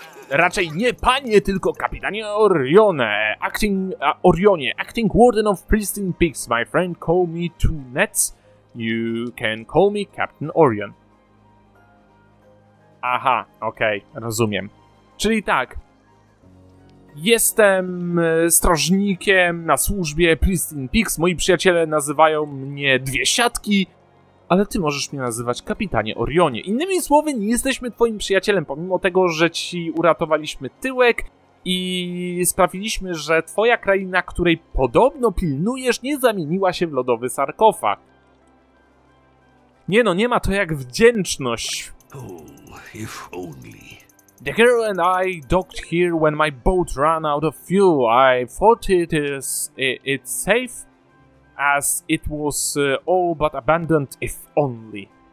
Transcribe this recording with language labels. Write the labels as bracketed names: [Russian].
[Polish] Raczej nie panie, tylko kapitanie Orione. [English] Acting Warden of Pristine Peaks. My friend call me Two Nets. You can call me Captain Orion. [Polish] Aha, okej, okay, rozumiem. Czyli tak. Jestem strażnikiem na służbie Pristine Peaks. Moi przyjaciele nazywają mnie Dwie Siatki. Ale ty możesz mnie nazywać kapitanie Orionie. Innymi słowy, nie jesteśmy twoim przyjacielem, pomimo tego, że ci uratowaliśmy tyłek i sprawiliśmy, że twoja kraina, której podobno pilnujesz, nie zamieniła się w lodowy sarkofag. Nie no, nie ma to jak wdzięczność. [English] Oh, if only. The girl and I docked here when my boat ran out of fuel. I thought it's safe. As it was all but abandoned, if only.